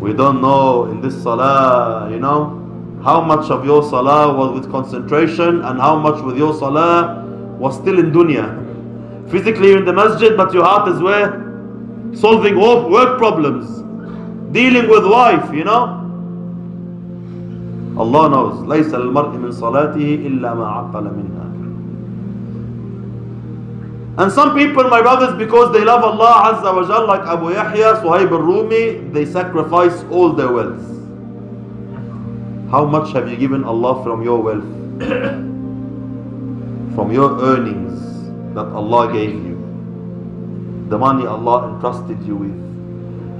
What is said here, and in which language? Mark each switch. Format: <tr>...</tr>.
<en>We don't know in this salah, you know, how much of your salah was with concentration and how much with your salah was still in dunya. Physically you're in the masjid, but your heart is where? Solving work problems, dealing with wife, you know. Allah knows,</en> <ar>ليس للمرء من صلاته إلا ما عقل منها.</ar> <en>And some people, my brothers, because they love Allah Azza wa Jal, like Abu Yahya, Suhaib al-Rumi, they sacrifice all their wealth. How much have you given Allah from your wealth? From your earnings that Allah gave you? The money Allah entrusted you with?</en>